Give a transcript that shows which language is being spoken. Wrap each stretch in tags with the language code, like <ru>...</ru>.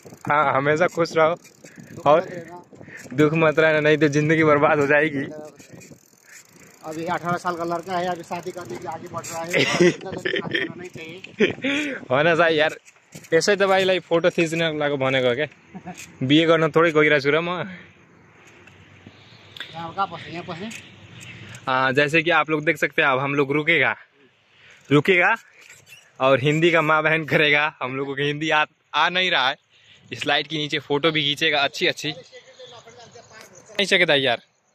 <hi>हमेशा खुश रहो, और दुख मत रहना, नहीं तो जिंदगी बर्बाद हो जाएगी। अभी 18 साल का लड़का है, अभी शादी करने के आगे बढ़ रहा है, होना चाहिए यार।</hi> <ne>यसै तपाईँलाई फोटो खिच्न लागेको भनेको क्या, बिहे गर्न थोरै गइरहेको छु र म।</ne> <hi>जैसे कि आप लोग देख सकते हैं, अब हम लोग रुकेगा रुकेगा और हिंदी का माँ बहन करेगा, हम लोगों को हिंदी आ नहीं रहा है। इस लाइट के नीचे फोटो भी खींचेगा अच्छी अच्छी नहीं सकता यार।</hi>